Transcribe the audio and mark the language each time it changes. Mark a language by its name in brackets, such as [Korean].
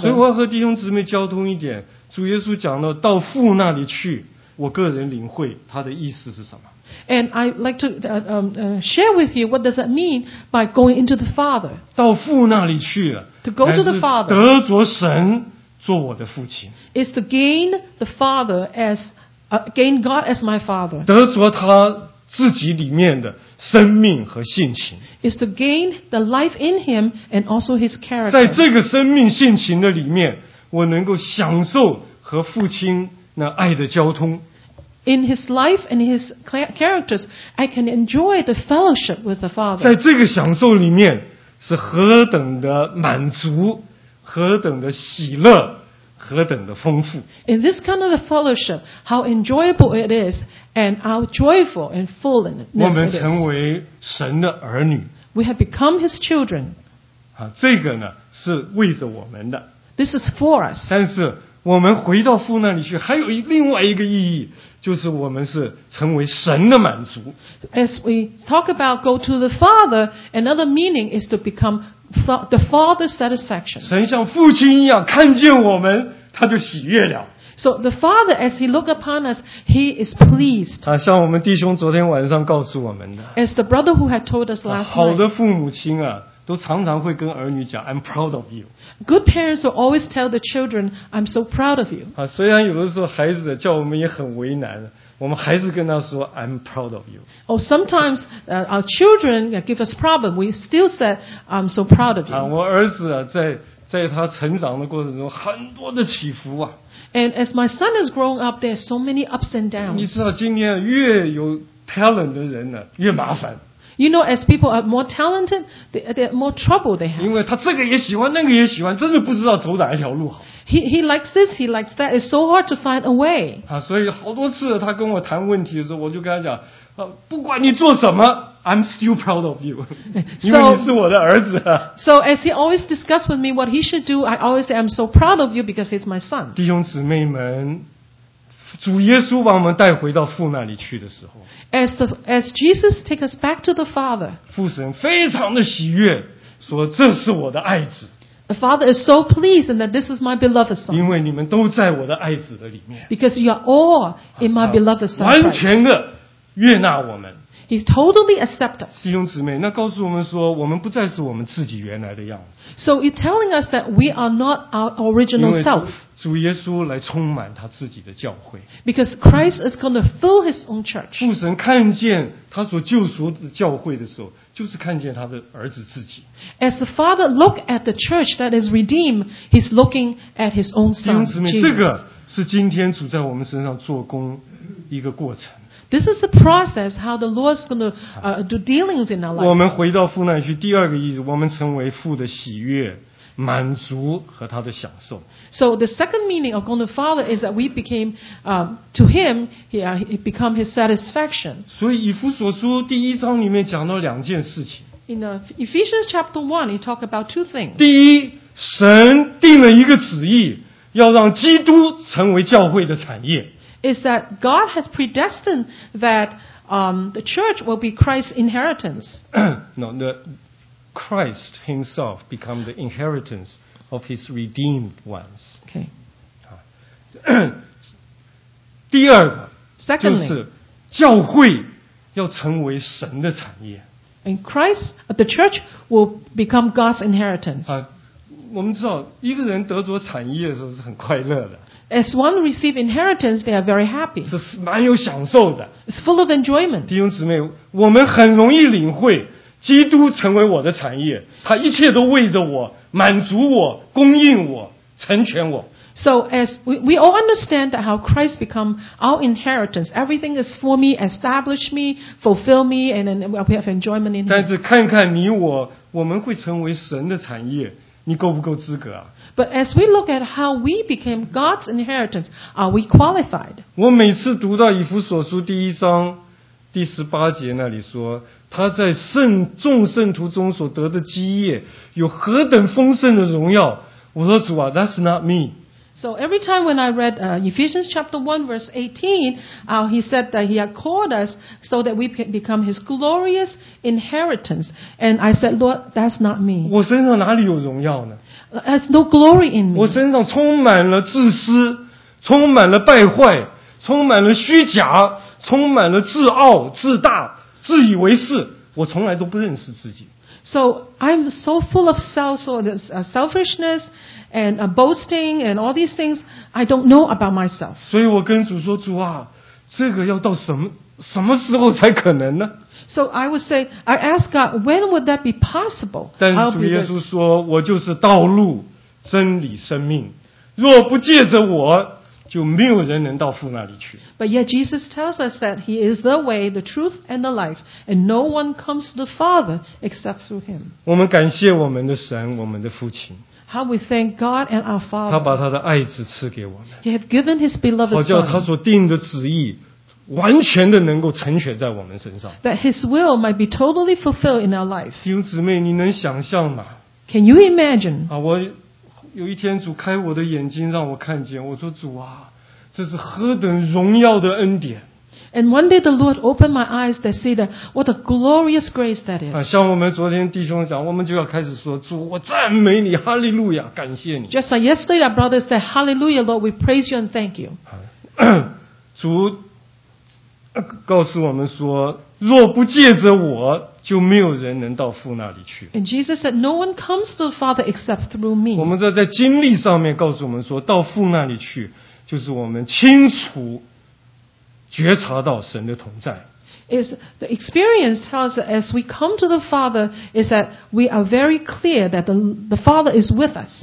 [Chinese] 所以我要和弟兄姊妹交通一点，主耶稣讲到到父那里去，我个人领会他的意思是什么。 [English] And I like to share with you what does that mean by going into the Father. [Chinese] 到父那里去了。 [English] To go to the Father. [Chinese] 得着神做我的父亲。 [English] Is to gain the Father as gain God as my Father. [Chinese] 得着他。自己里面的生命和性情 [English] is to gain the life in him and also his character. [Chinese] 在这个生命性情的里面，我能够享受和父亲那爱的交通。 [English] In his life and his characters, I can enjoy the fellowship with the Father. [Chinese] 在这个享受里面，是何等的满足，何等的喜乐。何等的丰富 [English] In this kind of a fellowship, how enjoyable it is, and how joyful and fullness it is. [Chinese] 我们成为神的儿女 [English] We have become His children. [Chinese] 这个呢是为着我们的 [English] This is for us. [Chinese] 但是我们回到父那里去，还有另外一个意义，就是我们是成为神的满足。 [English] As we talk about go to the Father, another meaning is to become the Father's satisfaction. [Chinese] 神像父亲一样看见我们，他就喜悦了。 [English] So the Father, as he looks upon us, he is pleased. [Chinese] 啊，像我们弟兄昨天晚上告诉我们的。 [English] As the brother who had told us last night. [Chinese] 好的父母亲啊。都常常会跟儿女讲 [English] I'm proud of you. Good parents will always tell the children I'm so proud of you. [Chinese] 啊，虽然有的时候孩子叫我们也很为难，我们还是跟他说 [English] I'm proud of you. Oh, sometimes our children give us problems. We still say I'm so proud of you. [Chinese] 啊，我儿子啊，在他成长的过程中，很多的起伏啊。 [English] And as my son has grown up, there's so many ups and downs. [Chinese] 你知道，今天越有 talent 的人呢，越麻烦。 [English] You know, as people are more talented, the more trouble they have. [Chinese] 因为他这个也喜欢，那个也喜欢，真的不知道走哪一条路好。 [English] He likes this, he likes that. It's so hard to find a way. [Chinese] 啊，所以好多次他跟我谈问题的时候，我就跟他讲，不管你做什么 ， [English] I'm still proud of you， [Chinese] 因为你是我的儿子。 [English] So as he always discuss with me what he should do, I always say I'm so proud of you because he's my son. [Chinese] 弟兄姊妹们。主耶稣把我们带回到父那里去的时候 [English] as Jesus take us back to the Father, [Chinese] 父神非常的喜悦，说这是我的爱子。 [English] The Father is so pleased and that this is my beloved Son. [Chinese] 因为你们都在我的爱子的里面。 [English] Because you are all in my beloved Son. [Chinese] 完全的悦纳我们。 [English] He totally accepts us. [Chinese] 弟兄姊妹，那告诉我们说，我们不再是我们自己原来的样子。 [English] So it's telling us that we are not our original self. [Chinese] 主耶稣来充满他自己的教会。 [English] Because Christ is going to fill his own church. [Chinese] 父神看见他所救赎的教会的时候，就是看见他的儿子自己。 [English] As the Father looks at the church that is redeemed, he's looking at his own son, Jesus. [Chinese] 弟兄姊妹，这个是今天主在我们身上做工一个过程。 [English] This is the process how the Lord is going to do dealings in our life. [Chinese] 我们回到父那里去，第二个意思，我们成为父的喜悦、满足和他的享受。 [English] So the second meaning of going to Father is that we became to him, he become his satisfaction. [Chinese] 所以以弗所书第一章里面讲到两件事情。 [English] In Ephesians chapter 1, he talk about two things. [Chinese] 第一，神定了一个旨意，要让基督成为教会的产业。 [English] Is that God has predestined that the church will be Christ's inheritance. No, the Christ himself become the inheritance of his redeemed ones. Okay. [Chinese] 第二个 [English] Secondly, [Chinese] 就是教会要成为神的产业。 [English] And Christ, the church will become God's inheritance. [Chinese] 我们知道一个人得着产业的时候是很快乐的。 [English] As one receives inheritance, they are very happy. [Chinese] 是蛮有享受的。 [English] It's full of enjoyment. [Chinese] 弟兄姊妹，我们很容易领会，基督成为我的产业，他一切都为着我，满足我，供应我，成全我。 [English] So as we all understand that how Christ become our inheritance, everything is for me, establish me, fulfill me, and then we have enjoyment in him. [Chinese] 但是看看你我，我们会成为神的产业。你够不够资格啊？ [English] But as we look at how we became God's inheritance, are we qualified? [Chinese] 我每次读到以弗所书第一章第十八节那里说，他在圣众圣徒中所得的基业有何等丰盛的荣耀，我说主啊 ， [English] That's not me. So every time when I read Ephesians chapter 1 verse 18, he said that he had called us so that we can become his glorious inheritance. And I said, Lord, that's not me. [Chinese] 我身上哪里有荣耀呢？ [English] There's no glory in me. [Chinese] 我身上充满了自私，充满了败坏，充满了虚假，充满了自傲、自大、自以为是。我从来都不认识自己。 [English] So I'm so full of self, so this selfishness and boasting and all these things, I don't know about myself. [Chinese] 所以我跟主说，主啊，这个要到什么时候才可能呢？ [English] So I would say, I ask God, when would that be possible? [Chinese] 但是主耶稣说，我就是道路、真理、生命，若不借着我，就没有人能到父那里去。 [English] But yet Jesus tells us that he is the way, the truth, and the life, and no one comes to the Father except through him. [Chinese] 我们感谢我们的神，我们的父亲。 [English] How we thank God and our Father. [Chinese] 他把他的爱子赐给我们。 [English] He has given his beloved Son. [Chinese] 好叫他所定的旨意完全的能够成全在我们身上。 [English] That his will might be totally fulfilled in our life. [Chinese] 弟兄姊妹，你能想象吗 [English] ？Can you imagine? [Chinese] 啊，我。有一天主开我的眼睛让我看见，我说主啊，这是何等荣耀的恩典。 [English] And one day the Lord opened my eyes to see that what a glorious grace that is. [Chinese] 像我们昨天弟兄讲，我们就要开始说，主，我赞美你，哈利路亚，感谢你。 [English] Just like yesterday, our brother said, "Hallelujah, Lord, we praise you and thank you." [Chinese] 主告诉我们说，若不借着我，就没有人能到父那里去。 [English] And Jesus said, "No one comes to the Father except through me." [Chinese] 我们这在经历上面告诉我们说，到父那里去，就是我们清楚。觉察到神的同在。 [English] Is the experience tells us as we come to the Father is that we are very clear that the Father is with us.